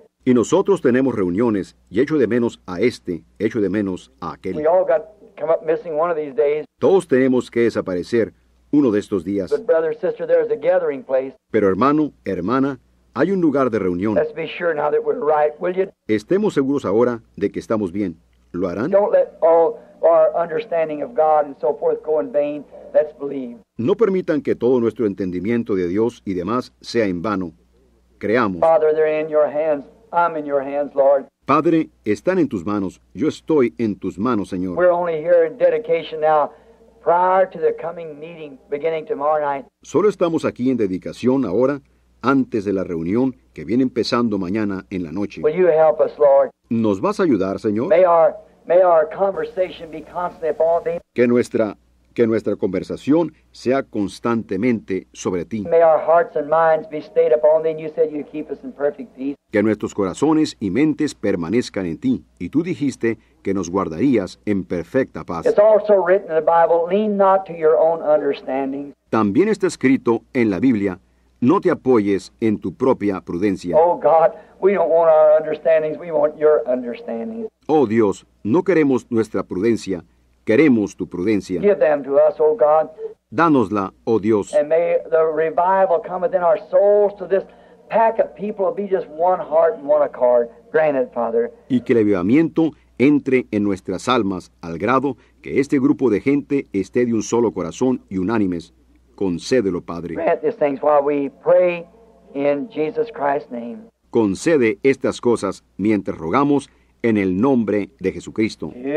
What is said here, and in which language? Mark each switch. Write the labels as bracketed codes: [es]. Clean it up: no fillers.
[es] Y nosotros tenemos reuniones y echo de menos a este, echo de menos a aquel. [en] We all got come up missing one of these days. [es] Todos tenemos que desaparecer uno de estos días. [en] But brother, sister, there's a gathering place. [es] Pero hermano, hermana, hay un lugar de reunión. [en] Let's be sure now that we're right, will you? [es] Estemos seguros ahora de que estamos bien. ¿Lo harán? [en] Don't let all our understanding of God and so forth go in vain. Let's believe. [es] No permitan que todo nuestro entendimiento de Dios y demás sea en vano. Creamos. [en] Father, they're in your hands. I'm in your hands, Lord. [es] Padre, están en tus manos. Yo estoy en tus manos, Señor. [en] We're only here in dedication now, prior to the coming meeting beginning tomorrow night. [es] Solo estamos aquí en dedicación ahora, antes de la reunión que viene empezando mañana en la noche. [en] Will you help us, Lord? [es] ¿Nos vas a ayudar, Señor? [en] May our conversation be constant upon thee. [es] Que nuestra Que nuestra conversación sea constantemente sobre ti. [en] May our hearts and minds be stayed upon thee, and you said you'd keep us in perfect peace. [es] Que nuestros corazones y mentes permanezcan en ti, y tú dijiste que nos guardarías en perfecta paz. [en] It's also written in the Bible, lean not to your own understanding. [es] También está escrito en la Biblia, no te apoyes en tu propia prudencia. [en] Oh God, we don't want our understandings, we want your understandings. [es] Oh Dios, no queremos nuestra prudencia, queremos tu prudencia. [en] Give them to us, oh God. [es] Dánosla, oh Dios. [en] And may the revival come within our souls to this pack of people be just one heart and one accord. Granted, Father. [es] Y que el avivamiento entre en nuestras almas al grado que este grupo de gente esté de un solo corazón y unánimes. Concédelo, Padre. [en] Grant these things while we pray in Jesus Christ's name. [es] Concede estas cosas mientras rogamos en el nombre de Jesucristo.